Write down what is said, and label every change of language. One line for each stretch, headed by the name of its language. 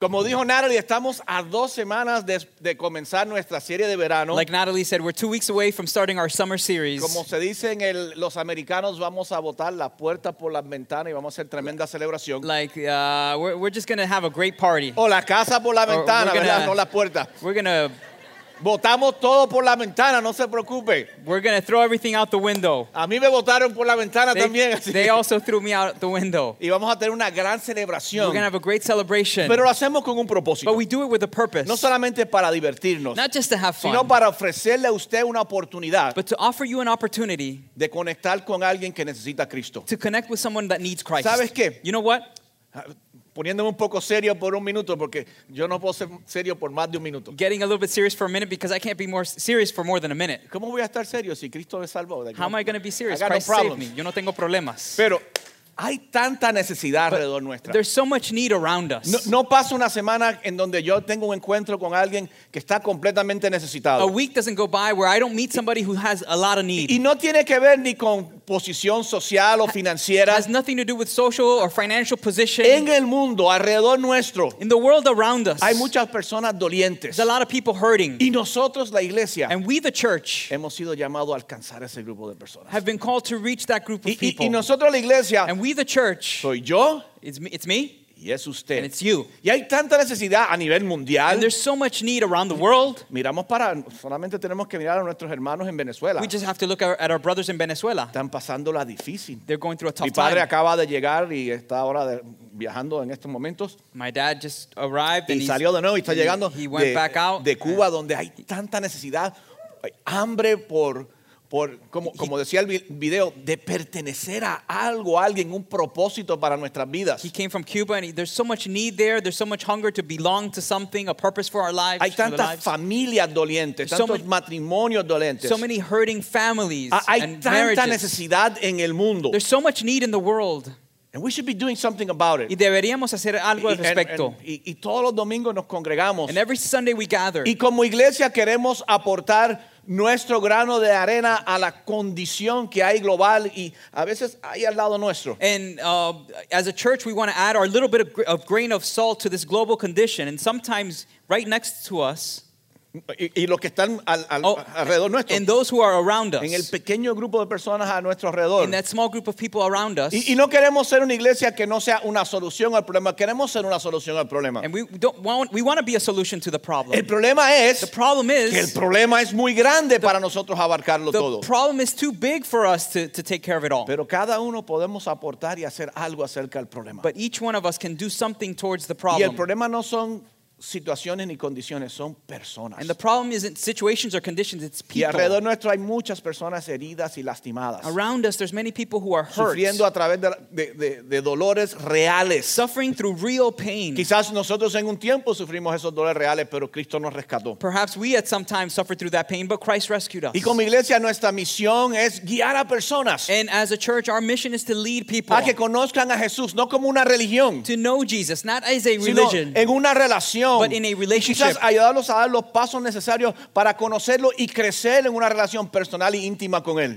Spanish: Como dijo Natalie, estamos a dos semanas de comenzar nuestra serie de verano.
English: Like Natalie said, we're 2 weeks away from starting our summer series.
Spanish: Como se dice en el, los americanos, vamos a botar la puerta por las ventanas y vamos a hacer tremenda celebración.
English: Like, we're just going to have a great party.
Spanish: O la casa por la ventana,
English: gonna,
Spanish: ¿verdad? No la puerta.
English: We're going to...
Spanish: Botamos todo por la ventana, no se preocupe.
English: We're going to throw everything out the window.
Spanish: A mí me botaron por la ventana también.
English: They also threw me out the window.
Spanish: Y vamos a tener una gran celebración.
English: We're going to have a great celebration.
Spanish: Pero lo hacemos con un propósito.
English: But we do it with a purpose.
Spanish: No solamente para divertirnos.
English: Not just to have fun.
Spanish: Sino para ofrecerle a usted una oportunidad.
English: But to offer you an opportunity.
Spanish: De conectar con alguien que necesita Cristo.
English: To connect with someone that needs Christ.
Spanish: ¿Sabes qué?
English: You know what?
Spanish: Poniéndome un poco serio por un minuto porque yo no puedo ser serio por más de un minuto.
English: Getting a little bit serious for a minute because I can't be more serious for more than a minute.
Spanish: ¿Cómo voy a estar serio si Cristo me salvó?
English: How am I going to be serious? I got Christ no problems. Saved me.
Spanish: Yo no tengo problemas. Pero hay tanta necesidad
English: But
Spanish: alrededor nuestra.
English: There's so much need around us.
Spanish: No pasa una semana en donde yo tengo un encuentro con alguien que está completamente necesitado.
English: A week doesn't go by where I don't meet somebody who has a lot of need.
Spanish: Y no tiene que ver ni con posición social o financiera.
English: Has nothing to do with social or financial position.
Spanish: En el mundo alrededor nuestro.
English: In the world around us.
Spanish: Hay muchas personas dolientes.
English: There's a lot of people hurting.
Spanish: Y nosotros la iglesia.
English: And we the church.
Spanish: Hemos sido llamados a alcanzar ese grupo de personas.
English: Have been called to reach that group of people.
Spanish: Y nosotros la iglesia.
English: And we the church.
Spanish: Soy yo.
English: It's me.
Spanish: Y es usted.
English: And it's you.
Spanish: Y hay tanta necesidad a nivel mundial.
English: And there's so much need around the world.
Spanish: Miramos para, solamente tenemos que mirar a nuestros hermanos en Venezuela.
English: We just have to look at our brothers in Venezuela.
Spanish: Están pasándola difícil.
English: They're going through a tough time.
Spanish: Mi padre
English: time.
Spanish: Acaba de llegar y está ahora de, viajando en estos momentos.
English: My dad just arrived.
Spanish: Y
English: and
Spanish: salió de nuevo y está llegando
English: he went back out.
Spanish: De Cuba, donde hay tanta necesidad. Hay hambre por... Como decía el video, de pertenecer a algo, a alguien, un propósito para nuestras vidas.
English: He came from Cuba and there's so much need there, there's so much hunger to belong to something, a purpose for our lives.
Spanish: Hay tantas familias dolientes, tantos matrimonios dolientes.
English: So many hurting families and marriages.
Spanish: Hay tanta necesidad en el mundo.
English: There's so much need in the world. And we should be doing something about it.
Spanish: Y deberíamos hacer algo al respecto. Y todos los domingos nos congregamos.
English: And every Sunday we gather.
Spanish: Y como iglesia queremos aportar nuestro grano de arena a la condición que hay global y a veces ahí al lado nuestro.
English: And as a church, we want to add our little bit of grain of salt to this global condition. And sometimes, right next to us,
Spanish: y los que están alrededor nuestro.
English: And those who are around us.
Spanish: En el pequeño grupo de personas a nuestro alrededor.
English: In that small group of people around us.
Spanish: Y no queremos ser una iglesia que no sea una solución al problema. Queremos ser una solución al problema.
English: And we want to be a solution to the problem.
Spanish: El problema es
English: the problem is,
Spanish: que el problema es muy grande para nosotros abarcarlo
English: the
Spanish: todo.
English: The problem is too big for us to take care of it all.
Spanish: Pero cada uno podemos aportar y hacer algo acerca del problema.
English: But each one of us can do something towards the problem.
Spanish: Y el problema no son situaciones ni condiciones, son personas.
English: And the problem isn't situations or conditions, it's people.
Spanish: Y alrededor nuestro hay muchas personas heridas y lastimadas.
English: Around us, there's many people who are hurt.
Spanish: Sufriendo a través de dolores reales.
English: Suffering through real pain.
Spanish: Quizás nosotros en un tiempo sufrimos esos dolores reales, pero Cristo nos rescató.
English: Perhaps we at some time suffered through that pain, but Christ rescued us.
Spanish: Y como iglesia, nuestra misión es guiar a personas.
English: And as a church, our mission is to lead people.
Spanish: A que conozcan a Jesús, no como una religión.
English: To know Jesus, not as a religion.
Spanish: Sino en una relación.
English: But in a relationship.
Spanish: Quizás ayudarlos a dar los pasos necesarios para conocerlo y crecer en una relación personal y íntima con él.